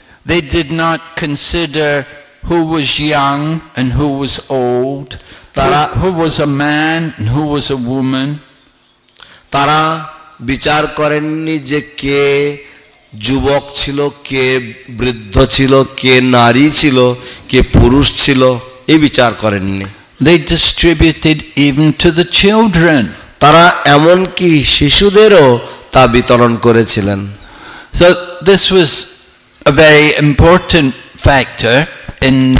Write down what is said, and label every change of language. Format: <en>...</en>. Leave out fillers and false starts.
<en>they did not consider who was young and who was old</en> <bn>তারা</bn> <en>who was a man and who was a woman</en> <bn>তারা বিচার করেন নি যে কে যুবক ছিল কে বৃদ্ধ ছিল কে নারী ছিল কে পুরুষ ছিল এই বিচার করেন নি</bn> <en>they distributed even to the children</en> <bn>তারা এমন কি শিশুদেরও তা বিতরণ করেছিলেন</bn> <en>So this was a very important factor in</en>